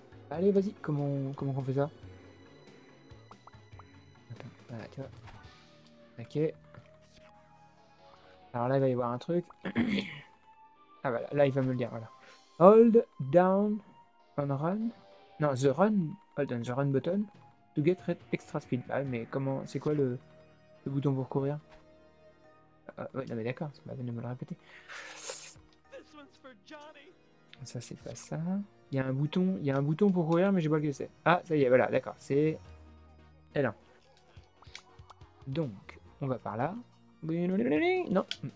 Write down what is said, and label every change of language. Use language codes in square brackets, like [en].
[fr] Allez, vas-y, comment on fait ça ? Attends, voilà, tu vois. Ok. Alors là, il va y avoir un truc. Ah, voilà, là, il va me le dire, voilà. [en] Hold down on run. Non, the run. Hold down the run button to get extra speed. [fr] Ah, mais comment. C'est quoi le bouton pour courir ? Ouais, non, mais d'accord, c'est pas bien de me le répéter. Ça, c'est pas ça. Il y a un bouton pour courir, mais j'ai pas le que c'est. Ah, ça y est, voilà, d'accord, c'est L1. Donc, on va par là. Non.